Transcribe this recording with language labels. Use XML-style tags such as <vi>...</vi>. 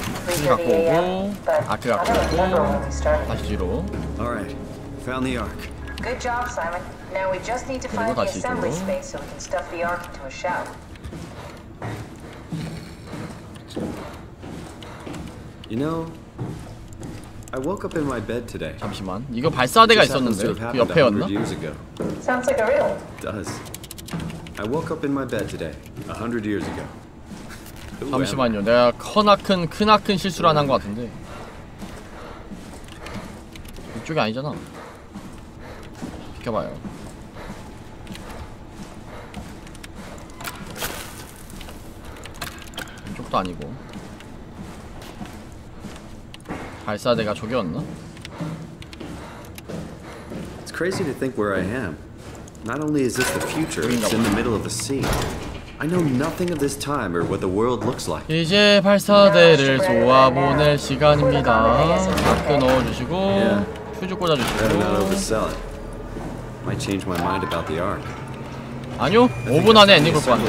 <en>3:30 a.m. But I don't remember when we started. All right, found the ark. Good job, Simon. Now we just need to find the assembly space so we can stuff the ark into a shell. You know, I woke up in my bed today.</en> <ko>잠시만, 이거 발사대가 있었는데 그 옆에였나?</ko> <en>Sounds like a riddle. Does. I woke up in my bed today, 100 years ago.</en> <ko>잠시만요. 내가 크나큰 실수를 한 것 같은데. 이쪽이 아니잖아. 비켜봐요. 쪽도 아니고. 발사대가 저기였나?</ko> <en>It's crazy to think where I am. Not only is this the future, it's in the middle of the sea. I know nothing of this time or what the world looks like.</en> <ko>이제 발사대를 조아 보낼 시간입니다. 마크 넣어 주시고 휴지 꽂아 주시고.</ko> <en>I change my mind about the arc.</en> <ko>아니요. 5분 안에 엔딩 볼 것 같아요.</ko>